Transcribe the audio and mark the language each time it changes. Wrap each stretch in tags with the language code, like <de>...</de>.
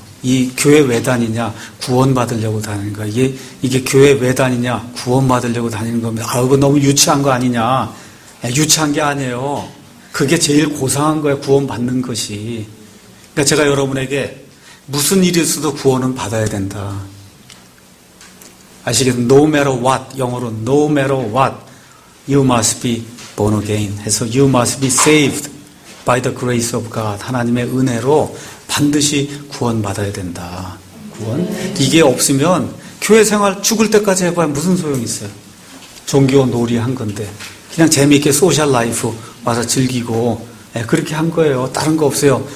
<ko>이 교회 왜 다니냐? 구원 받으려고 다니는 거야. 이게 교회 왜 다니냐? 구원 받으려고 다니는 겁니다. 아, 이거 너무 유치한 거 아니냐? 유치한 게 아니에요. 그게 제일 고상한 거야, 구원 받는 것이. 그러니까 제가 여러분에게 무슨 일이 있어도 구원은 받아야 된다. 아시겠죠?</ko> <en>No matter what,</en> <ko>영어로</ko> <en>No matter what, you must be born again.</en> <ko>해서</ko> <en>you must be saved by the grace of God.</en> <ko>하나님의 은혜로 반드시 구원 받아야 된다. 구원? 이게 없으면 교회 생활 죽을 때까지 해봐야 무슨 소용이 있어요? 종교 놀이 한 건데 그냥 재미있게 소셜 라이프 와서 즐기고, 예, 그렇게 한 거예요. 다른 거 없어요.</ko>